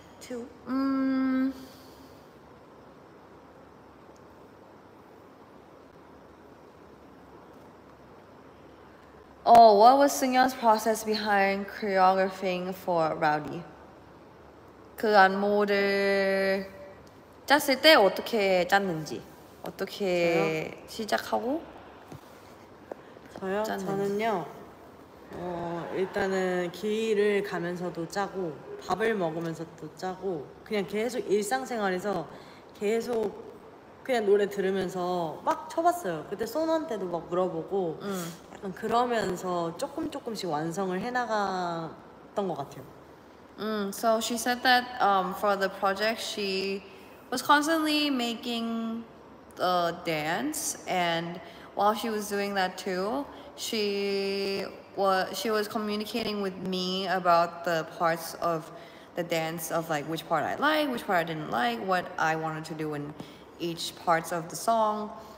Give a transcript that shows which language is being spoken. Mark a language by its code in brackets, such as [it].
[en] 2. Oh, what was Seungyeon's process behind choreographing for Rowdy? [ko] 그 안무를 짰을 때 어떻게 짰는지, 어떻게 저요? 시작하고 저요? 짰는지. 저는요, 일단은 길을 가면서도 짜고 밥을 먹으면서도 짜고 그냥 계속 일상생활에서 계속 그냥 노래 들으면서 막 쳐봤어요. 그때 손한테도 막 물어보고 약간 그러면서 조금 조금씩 완성을 해나갔던 것 같아요. [en] So she said that for the project, she was constantly making the dance, and while she was doing that too, she was communicating with me about the parts of the dance, of like which part I like, which part I didn't like, what I wanted to do in each parts of the song.